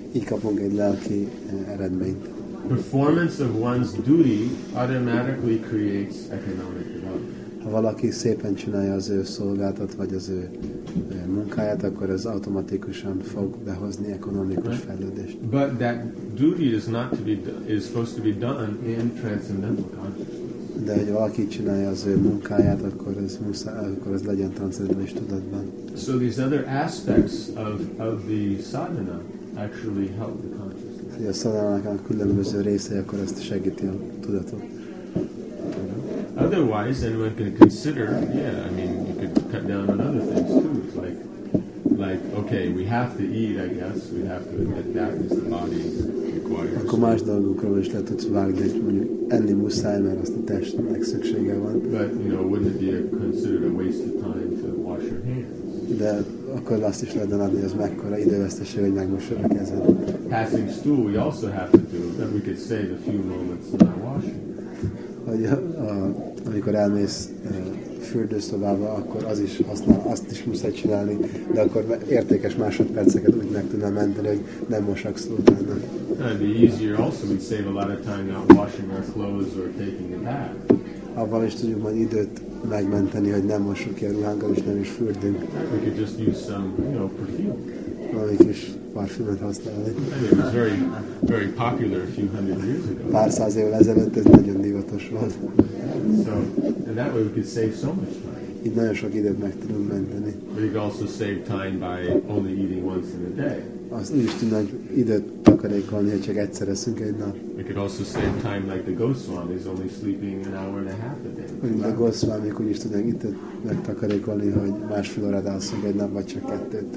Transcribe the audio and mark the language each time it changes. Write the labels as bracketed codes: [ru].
[hu] Így kapunk egy lelki eredményt. [en] Performance of one's duty automatically creates economic development. [hu] Ha valaki szépen csinálja az ő szolgáltat, vagy az ő munkáját, akkor ez automatikusan fog behozni ekonomikus fejlődést. [en] But that duty is supposed to be done in transcendental consciousness. [hu] De hogy valaki csinálja az ő munkáját, akkor ez legyen transzendentális tudatban. [en] So these other aspects of the sadhana actually help the consciousness. [hu] Ja, szadának a különböző része, akkor ezt segíti a tudatot. [en] Otherwise, anyone can consider, yeah, I mean, you could cut down on other things too. It's like, okay, we have to eat, I guess, we have to admit that is the body requires. [hu] Akkor más dolgokról is le tudsz vágni, hogy mondjuk enni muszáj, mert azt a testnek szüksége van. [en] But, you know, wouldn't it be considered a waste of time to wash your hands? [hu] De akkor azt is lehetne adni, hogy az mekkora időveszteség, hogy megmosod a kezed. [en] Passing stool, we also have to do, then we could save a few moments in our washing. [hu] Hogy amikor elmész fürdőszobába, akkor az is használ, azt is muszáj csinálni, de akkor értékes másodperceket úgy meg tudnál menteni, hogy nem mosaksz utána. [en] It'd be easier also, we'd save a lot of time not washing our clothes or taking a bath. [hu] Abban is tudjuk majd időt megmenteni, hogy nem mosuk ki a ruhánkat, és nem is fürdünk. [en] We could just use some, you know, perfume. [hu] Valami kis parfümöt használni. [en] It was very, very popular a few hundred years ago. [hu] Pár száz évvel ezelőtt ez nagyon divatos volt. [en] So, in that way we could save so much time. [hu] Így nagyon sok időt meg tudunk menteni. [en] We could also save time by only eating once in a day. [hu] Azt is tudnánk időt takarékolni, hogy csak egyszer eszünk egy nap. [en] We could also save time like the Goswami is only sleeping an hour and a half a day. [hu] Mint a Goswami, úgy is tudnánk időt megtakarékolni, hogy másfél órát alszunk egy nap, vagy csak kettőt.